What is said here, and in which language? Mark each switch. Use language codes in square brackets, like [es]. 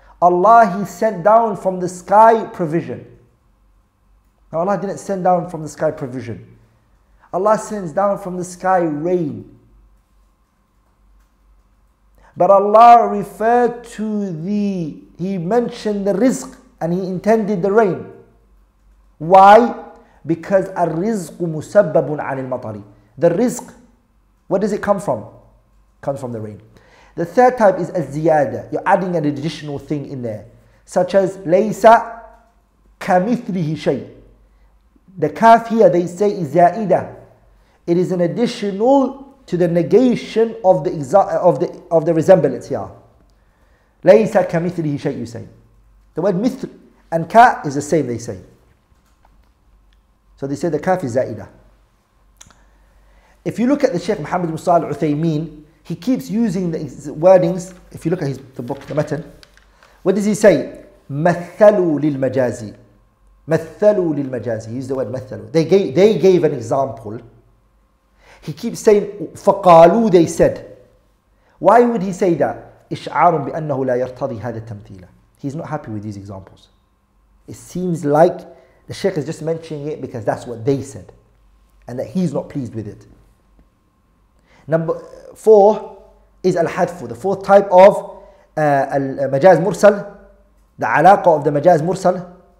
[en] Allah, He sent down from the sky provision. Now Allah didn't send down from the sky provision. Allah sends down from the sky rain. But Allah referred to the, He mentioned the rizq and He intended the rain. Why? [ar] Because الرزق مسبب عن المطر. [en] The rizq, what does it come from? It comes from the rain. The third type is الزيادة. You're adding an additional thing in there. Such as [ar] ليس كمثله شيء. [en] The kaf here, they say is زائدة. It is an additional to the negation of the resemblance here. [ar] ليس كمثله شيء, [en] you say. The word مثل and ka is the same, they say. So they say the kaf is za'idah. If you look at the Shaykh Muhammad ibn Salih al-Uthaymeen, he keeps using the wordings. If you look at the book, the matan, what does he say? [ar] مثلوا للمجازي. مثلوا للمجازي. [en] He used the word [ar] مثلوا. [en] They gave an example. He keeps saying, فقالوا, they said. Why would he say that? [ar] إشعار بأنه لا يرتضي هذا التمثيل. [en] He's not happy with these examples. It seems like the Shaykh is just mentioning it because that's what they said, and that he's not pleased with it. Number four is al-hadfu, the fourth type of al-majaz mursal, the alaqa of the majaz mursal.